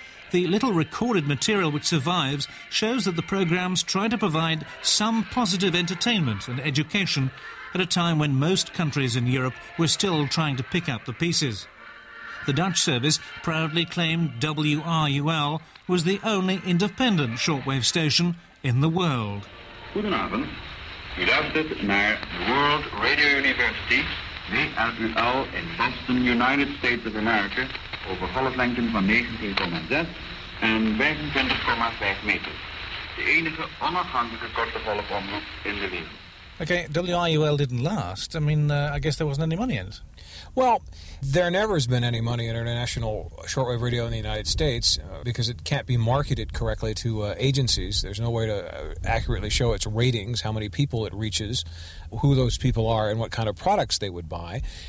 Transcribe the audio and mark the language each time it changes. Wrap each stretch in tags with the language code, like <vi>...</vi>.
<en>The little recorded material which survives shows that the programs try to provide some positive entertainment and education at a time when most countries in Europe were still trying to pick up the pieces. The Dutch service proudly claimed WRUL was the only independent shortwave station in the world.</en> <nl>Goedenavond. Gedachtet naar World Radio University, WRUL in Boston, United States of America, over golflengte van 19,6 en 25,5 meter. De enige onafhankelijke korte golfomroep in de wereld.</nl> <en>Okay, WIUL didn't last. I mean, I guess there wasn't any money in it. Well, there never has been any money in international shortwave radio in the United States because it can't be marketed correctly to agencies. There's no way to accurately show its ratings, how many people it reaches, who those people are, and what kind of products they would buy.</en>